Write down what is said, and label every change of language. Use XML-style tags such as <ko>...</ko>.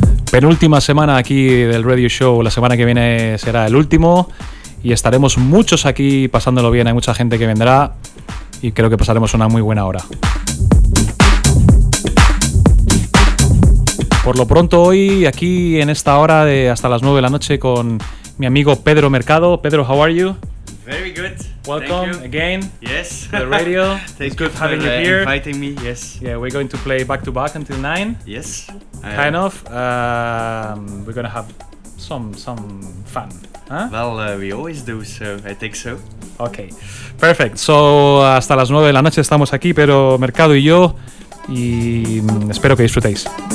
<es>Penúltima semana aquí del Radio Show, la semana que viene será el último y estaremos muchos aquí pasándolo bien, hay mucha gente que vendrá y creo que pasaremos una muy buena hora. Por lo pronto hoy aquí en esta hora de hasta las 9 de la noche con mi amigo Pedro Mercado.</es> <en>Pedro, how are you? Very good. Welcome again. Yes. To the radio. It's good having you here. Inviting me. Yes. Yeah, we're going to play back to back until 9. Yes. Kind of. We're gonna have some fun. Huh? Well, we always do. So I think so. Okay. Perfect.</en> <es>So hasta las 9 de la noche estamos aquí, pero Mercado y yo, y espero que disfrutéis.</es>